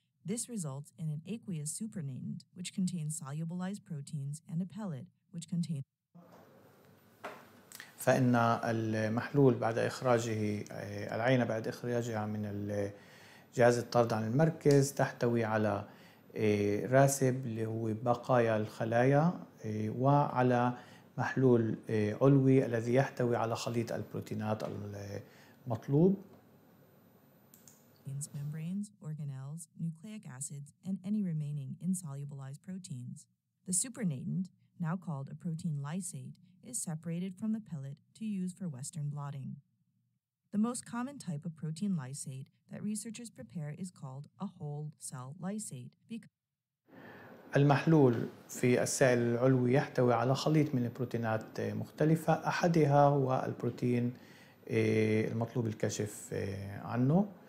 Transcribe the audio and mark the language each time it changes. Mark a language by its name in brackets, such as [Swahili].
[English] This results in an aqueous supernatant, which contains solubilized proteins, and a pellet, which contains. [Arabic] فإن المحلول بعد إخراجه العينة بعد إخراجها من جهاز الطرد عن المركز تحتوي على راسب اللي هو بقايا الخلايا وعلى محلول علوي الذي يحتوي على خليط البروتينات المطلوب. [English] Membranes, organelles, nucleic acids, and any remaining insolubilized proteins. The supernatant, now called a protein lysate, is separated from the pellet to use for Western blotting. The most common type of protein lysate that researchers prepare is called a whole cell lysate. [Arabic] المحلول في السائل العلوي يحتوي على خليط من البروتينات مختلفة، أحدها هو البروتين المطلوب الكشف عنه.